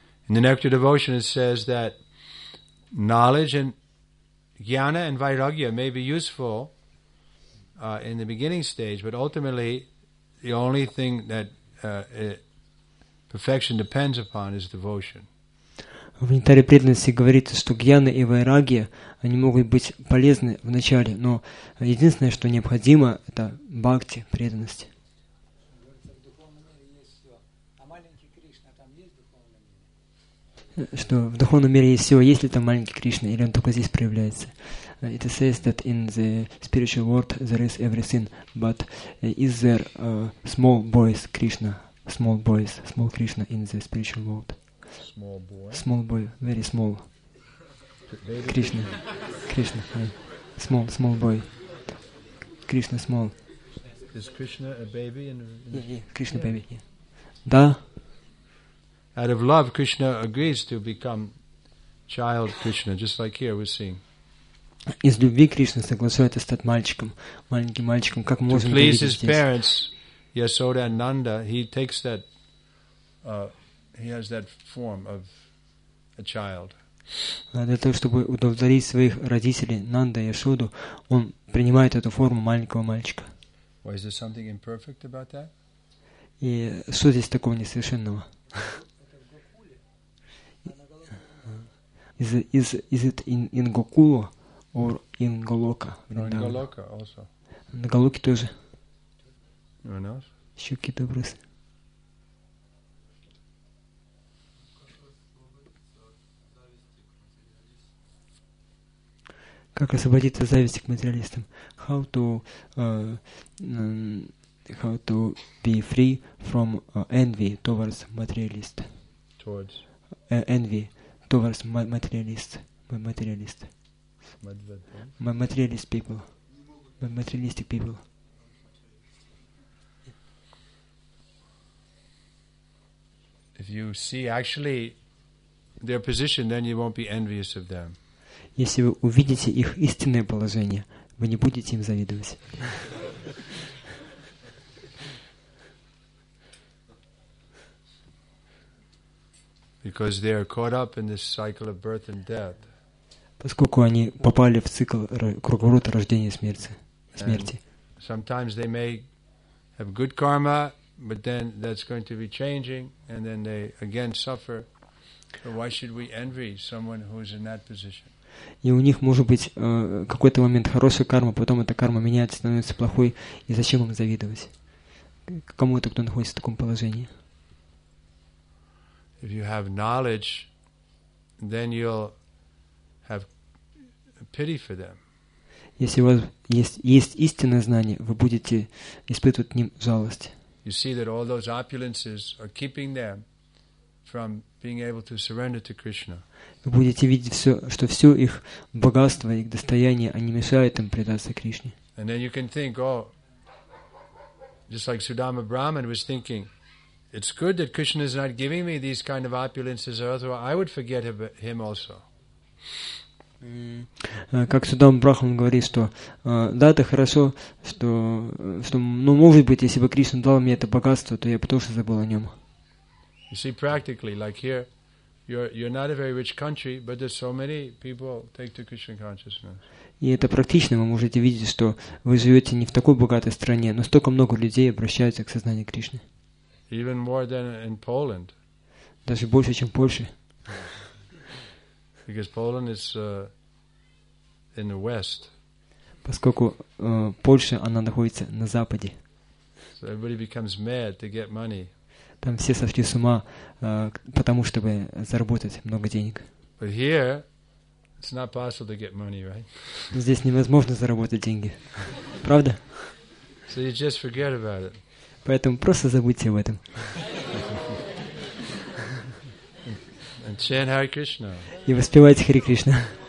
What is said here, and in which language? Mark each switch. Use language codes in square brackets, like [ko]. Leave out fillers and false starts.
[en] In the Nectar Devotion it says that knowledge and jnana and vairagya may be useful in the beginning stage, but ultimately the only thing that perfection depends upon is devotion. [ru] В нектаре преданности говорится, что гьяна и вайрагья, они могут быть полезны в начале, но единственное, что необходимо, это бхакти, преданность. Что в духовном мире есть все, есть ли там маленький Кришна, или он только здесь проявляется. [en] It says that in the spiritual world there is everything, but is there small boys, Krishna, small boys, small Krishna in the spiritual world? Small boy? Small boy, very small. Krishna, Krishna, small, small boy. Krishna, small. Is Krishna a baby? Yeah, Krishna baby, yeah. Da? Out of love, Krishna agrees to become child Krishna, just like here we're seeing. [ru] Из любви Кришна согласуется стать мальчиком, маленьким мальчиком, как можно видеть здесь. [en] To please his parents, Yasoda and Nanda, he takes that, he has that form of a child. [ru] Для того, чтобы удовлетворить своих родителей, Нанда и Ясоду, он принимает эту форму маленького мальчика. [en] Why is there something imperfect about that? [ru] И что здесь такого несовершенного? [en] Is it in Gokula or in Goloka? In Goloka also. In Goloka [ru] тоже. [en] Anyone else? [ru] Еще какие-то вопросы? Как освободиться от зависти к материалистам? [en] How to be free from envy towards materialist? Towards? Envy. Towards materialists, materialist people, materialistic people. If you see actually their position, then you won't be envious of them. [ru] Если вы увидите их истинное положение, вы не будете им завидовать. [en] Because they are caught up in this cycle of birth and death. [ru] Поскольку они попали в цикл круговорот рождения и смерти. [en] Sometimes they may have good karma, but then that's going to be changing, and then they again suffer. So why should we envy someone who is in that position? [ru] И у них может быть какой-то момент хорошая карма, потом эта карма меняется, становится плохой, и зачем им завидовать? Кому это, кто находится в таком положении? [en] If you have knowledge, then you'll have pity for them. [ru] Если у вас есть истинное знание, вы будете испытывать к ним жалость. [en] You see that all those opulences are keeping them from being able to surrender to Krishna. [ru] Вы будете видеть все, что все их богатство, их достояние, они мешают им предаться Кришне. [en] And then you can think, oh, just like Sudama Brahman was thinking. It's good that Krishna is not giving me these kind of opulences, or otherwise I would forget him also. [ru] Как Судама Брахман говорит, что да, это хорошо, что, ну, может быть, если бы Кришна дал мне это богатство, то я бы тоже забыл о нем. [en] You see, practically, like here, you're not a very rich country, but there's so many people take to Krishna consciousness. [ru] И это практично, вы можете видеть, что вы живете не в такой богатой стране, но столько много людей обращаются к сознанию Кришны. [en] Even more than in Poland. [ru] Даже больше, чем в Польше. [en] Because Poland is in the west. [ru] Поскольку Польша, она находится на западе. [en] So everybody becomes mad to get money. [ru] Там все сошли с ума, потому чтобы заработать много денег. [en] But here, it's not possible to get money, right? [ru] Здесь невозможно заработать деньги. Правда? [en] So you just forget about it. [ru] Поэтому просто забудьте об этом. [en] And chant Hare Krishna. [ru] И воспевайте Хари Кришна.